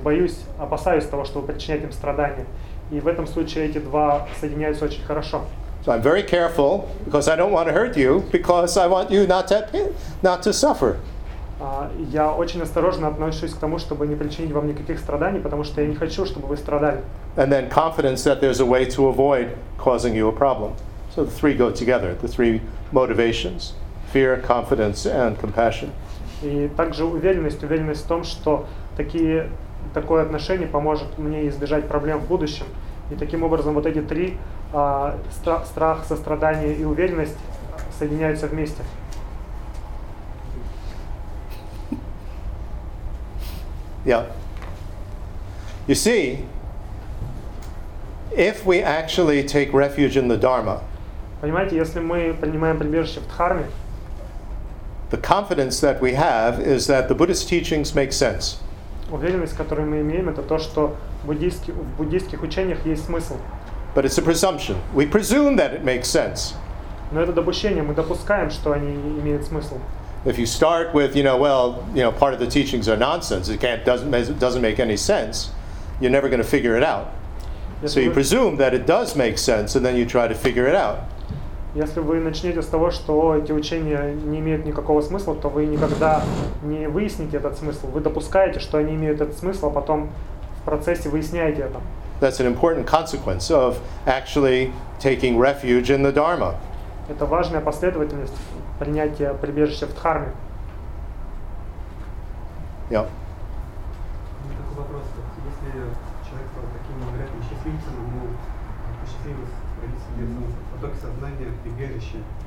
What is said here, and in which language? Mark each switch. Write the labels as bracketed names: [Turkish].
[Russian] Боюсь, опасаюсь того, чтобы причинять им страдания. И в этом случае эти два соединяются очень хорошо. [English] So I'm very careful because I don't want to hurt you because I want you not to suffer. [Russian] Я очень осторожно отношусь к тому, чтобы не причинить вам никаких страданий, потому что я не хочу, чтобы вы страдали. [English] And then confidence that there's a way to avoid causing you a problem. So the three go together, the three motivations: fear, confidence, and compassion. [Russian] И также уверенность в том, что такое отношение поможет мне избежать проблем в будущем. И таким образом вот эти три страх, сострадание и уверенность соединяются вместе. [English] Yeah. You see, if we actually take refuge in the Dharma, [Russian] понимаете, если мы принимаем прибежище в Дхарме, [English] the confidence that we have is that the Buddhist teachings make sense. [Russian] Уверенность, которую мы имеем, это то, что в буддийских учениях есть смысл. [English] But it's a presumption. We presume that it makes sense. [Russian] Но это допущение. Мы допускаем, что они имеют смысл. [English] If you start with, part of the teachings are nonsense. It doesn't make any sense. You're never going to figure it out. So you presume that it does make sense, and then you try to figure it out. [Russian] Если вы начнете с того, что эти учения не имеют никакого смысла, то вы никогда не выясните этот смысл. Вы допускаете, что они имеют этот смысл, а потом в процессе выясняете это. [English] That's an important consequence of actually taking refuge in the Dharma. [Russian] Это важная последовательность принятия прибежища в Дхарме. [English] Yeah. [Russian] У меня такой вопрос. Если человек таким счастливцем, ему посчастливилось родиться где-то потоке сознания, прибежище.